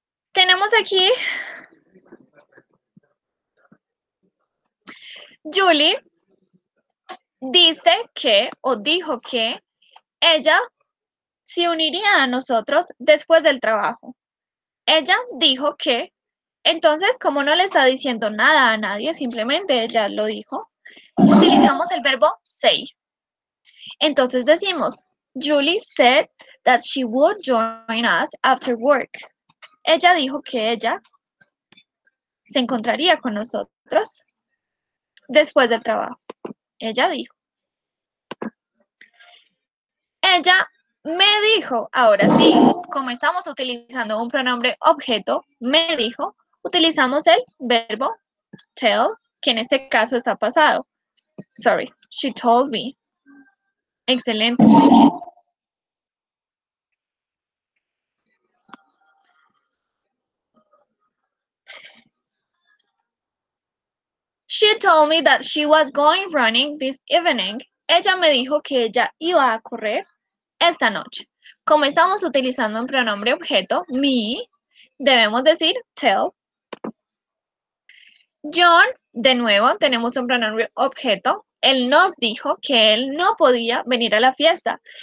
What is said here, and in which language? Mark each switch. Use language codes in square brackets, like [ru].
[es] Tenemos aquí Julie dice que o dijo que ella se uniría a nosotros después del trabajo. Ella dijo que Entonces, como no le está diciendo nada a nadie, simplemente ella lo dijo, utilizamos el verbo say. Entonces decimos, [en] Julie said that she would join us after work. [es] Ella dijo que ella se encontraría con nosotros después del trabajo. Ella dijo. Ella me dijo, ahora sí, como estamos utilizando un pronombre objeto, me dijo, utilizamos el verbo tell, que en este caso está pasado. [en] Sorry, she told me. Excelente. She told me that she was going running this evening. [es] Ella me dijo que ella iba a correr esta noche. Como estamos utilizando un pronombre objeto, me, debemos decir tell. John, de nuevo, tenemos un pronombre objeto. Él nos dijo que él no podía venir a la fiesta.